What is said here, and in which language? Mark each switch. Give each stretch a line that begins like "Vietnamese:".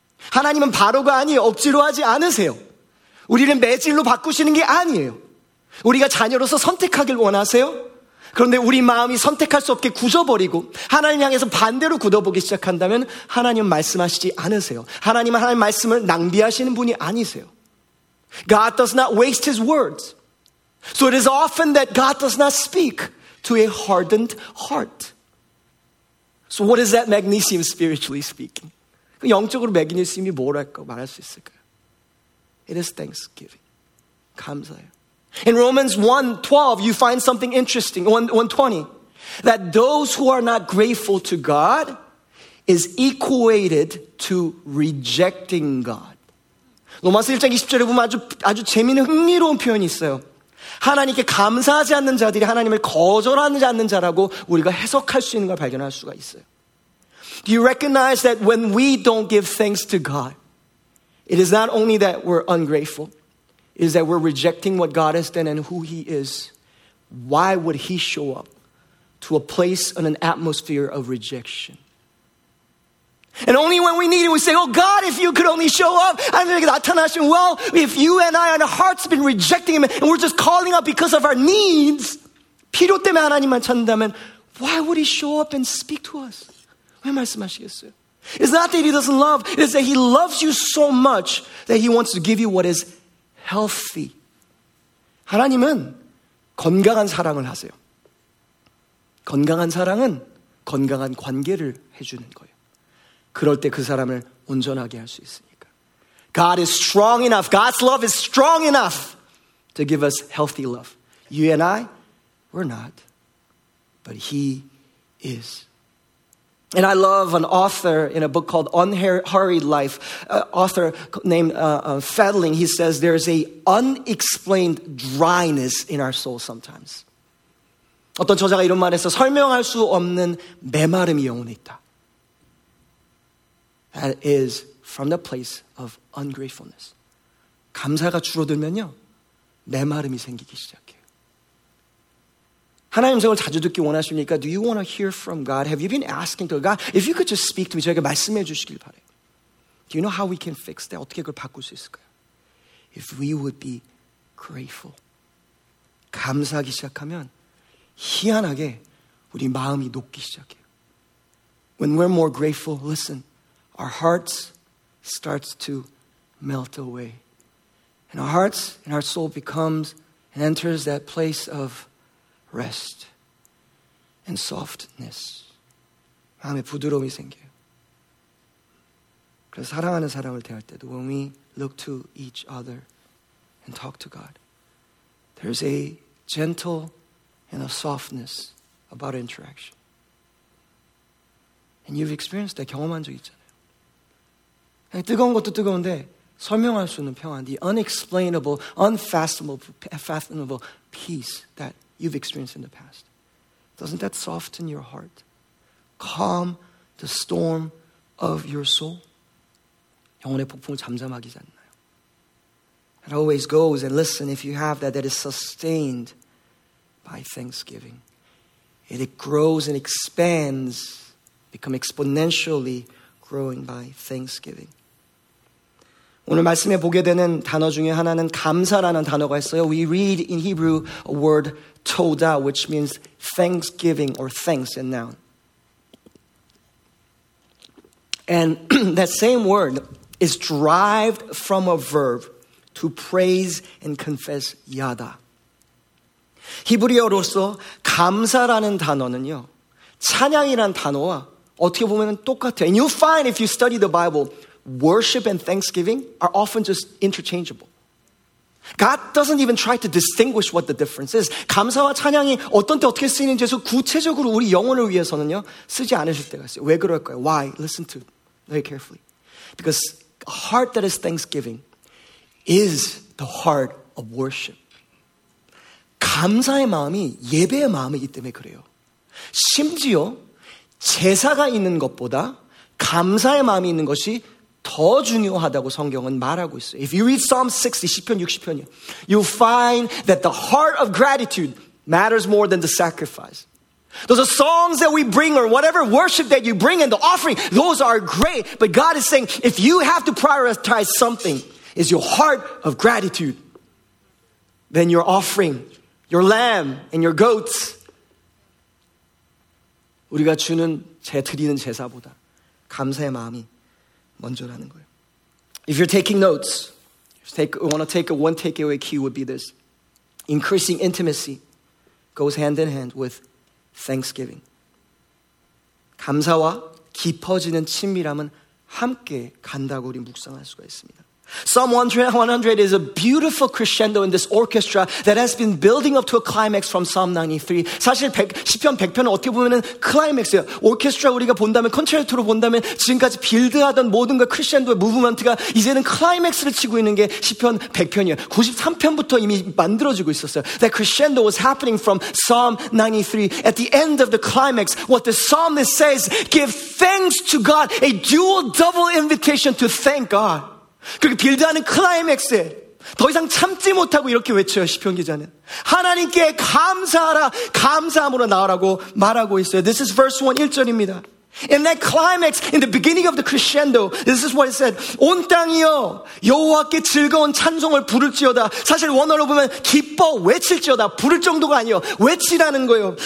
Korean: 하나님은 바로가 아니 억지로 하지 않으세요. 우리는 매질로 바꾸시는 게 아니에요. 우리가 자녀로서 선택하길 원하세요. 그런데 우리 마음이 선택할 수 없게 굳어버리고 하나님 향해서 반대로 굳어보기 시작한다면 하나님은 말씀하시지 않으세요. 하나님은 하나님 말씀을 낭비하시는 분이 아니세요.
English: God does not waste his words. So it is often that God does not speak. to a hardened heart. So what is that magnesium spiritually speaking?
Korean: 영적으로 매그네슘이 뭐랄까 말할 수 있을까요?
English: It is thanksgiving.
Korean: 감사해요.
English: In Romans 1:12, you find something interesting. 1:20, that those who are not grateful to God is equated to rejecting God.
Korean: 로마서 1장 20절에 보면 아주 재미있는 흥미로운 표현이 있어요. 하나님께 감사하지 않는 자들이 하나님을 거절하지 않는 자라고 우리가 해석할 수 있는 걸 발견할 수가 있어요.
English: Do you recognize that when we don't give thanks to God, it is not only that we're ungrateful, it is that we're rejecting what God has done and who He is. Why would He show up to a place in an atmosphere of rejection? And only when we need it, we say, oh God, if you could only show up. Well, if you and I and our hearts have been rejecting Him and we're just calling out because of our needs,
Korean: 필요 때문에 하나님만 찾는다면,
English: why would He show up and speak to us?
Korean: 왜 말씀하시겠어요?
English: It's not that He doesn't love. It is that He loves you so much that He wants to give you what is healthy.
Korean: 하나님은 건강한 사랑을 하세요. 건강한 사랑은 건강한 관계를 해주는 거예요. 그럴 때 그 사람을 온전하게 할 수 있으니까.
English: God is strong enough. God's love is strong enough to give us healthy love. You and I, we're not. But He is. And I love an author in a book called Unhurried Life, an author named Fadling. He says there's a unexplained dryness in our soul sometimes.
Korean: 어떤 저자가 이런 말 했어. 설명할 수 없는 메마름이 영혼에 있다.
English: That is from the place of ungratefulness.
Korean: 감사가 줄어들면요, 메마름이 생기기 시작해요. 하나님 음성을 자주 듣기 원하십니까?
English: Do you want to hear from God? Have you been asking to God? If you could just speak to me,
Korean: 저에게 말씀해 주시길 바래요.
English: Do you know how we can fix that?
Korean: 어떻게 그걸 바꿀 수 있을까요?
English: If we would be grateful.
Korean: 감사하기 시작하면 희한하게 우리 마음이 녹기 시작해요.
English: When we're more grateful, listen. Our hearts starts to melt away. And our hearts and our soul becomes and enters that place of rest and softness.
Korean: 마음에 부드러움이 생겨요. 그래서 사랑하는 사람을 대할 때도
English: when we look to each other and talk to God, there's a gentle and a softness about interaction. And you've experienced that
Korean: 경험한 적 있잖아요. 뜨거운 것도 뜨거운데 설명할 수 없는 평안,
English: the unexplainable, unfathomable peace that you've experienced in the past. Doesn't that soften your heart? Calm the storm of your soul?
Korean: 영혼의 폭풍을 잠잠하게 하지 않나요?
English: It always goes, and listen, if you have that, that is sustained by thanksgiving. And it grows and expands, become exponentially growing by thanksgiving.
Korean: 오늘 말씀에 보게 되는 단어 중에 하나는 감사라는 단어가 있어요.
English: We read in Hebrew a word toda, which means thanksgiving or thanks in noun. And that same word is derived from a verb to praise and confess yada.
Korean: 히브리어로서 감사라는 단어는요, 찬양이라는 단어와 어떻게 보면 똑같아요.
English: And you'll find if you study the Bible, worship and thanksgiving are often just interchangeable. God doesn't even try to distinguish what the difference is.
Korean: 감사와 찬양이 어떤 때 어떻게 쓰이는지에서 구체적으로 우리 영혼을 위해서는요 쓰지 않으실 때가 있어요. 왜 그럴까요?
English: Why? Listen to very carefully. Because a heart that is thanksgiving is the heart of worship.
Korean: 감사의 마음이 예배의 마음이기 때문에 그래요. 심지어 제사가 있는 것보다 감사의 마음이 있는 것이 더 중요하다고 성경은 말하고 있어요.
English: If you read Psalm 60,
Korean: 시편 60편이요.
English: You'll find that the heart of gratitude matters more than the sacrifice. Those are songs that we bring or whatever worship that you bring and the offering, those are great. But God is saying, if you have to prioritize something, is your heart of gratitude, then your offering, your lamb and your goats,
Korean: 우리가 주는 드리는 제사보다 감사의 마음이 먼저라는 거예요.
English: If you're taking notes, one takeaway key would be this. Increasing intimacy goes hand in hand with thanksgiving.
Korean: 감사와 깊어지는 친밀함은 함께 간다고 우리 묵상할 수가 있습니다.
English: Psalm 100 is a beautiful crescendo in this orchestra that has been building up to a climax from Psalm 93.
Korean: 사실 시편 100편은 어떻게 보면은 클라이맥스예요. 오케스트라 우리가 본다면, 콘체르토로 본다면 지금까지 빌드하던 모든 그 크레션도의 무브먼트가 이제는 클라이맥스를 치고 있는 게 시편 100편이에요. 93편부터 이미 만들어지고 있었어요.
English: That crescendo was happening from Psalm 93. At the end of the climax, what the psalmist says, give thanks to God, a dual double invitation to thank God.
Korean: 그렇게 빌드하는 클라이맥스에 더 이상 참지 못하고 이렇게 외쳐요. 시편 기자는 하나님께 감사하라, 감사함으로 나오라고 말하고 있어요.
English: This is verse 1,
Korean: 1절입니다.
English: In that climax, in the beginning of the crescendo, this is what it said.
Korean: 온 땅이여 여호와께 즐거운 찬송을 부를지어다. 사실 원어로 보면 기뻐 외칠지어다, 부를 정도가 아니요, 외치라는 거예요.